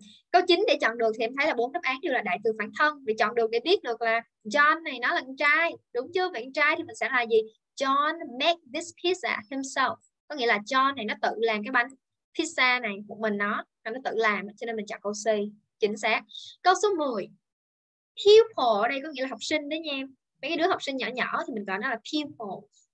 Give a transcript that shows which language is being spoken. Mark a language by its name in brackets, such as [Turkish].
[Vietnamese] Câu 9 để chọn được thì em thấy là bốn đáp án đều là đại từ phản thân. Để chọn được để biết được là John này nó là con trai, đúng chưa? Bạn trai thì mình sẽ là gì? [English] John made this pizza himself. [Vietnamese] Có nghĩa là John này nó tự làm cái bánh pizza này một mình nó tự làm, cho nên mình chọn câu C. Chính xác. Câu số 10. Pupil ở đây có nghĩa là học sinh đấy nha em. Mấy cái đứa học sinh nhỏ nhỏ thì mình gọi nó là pupil.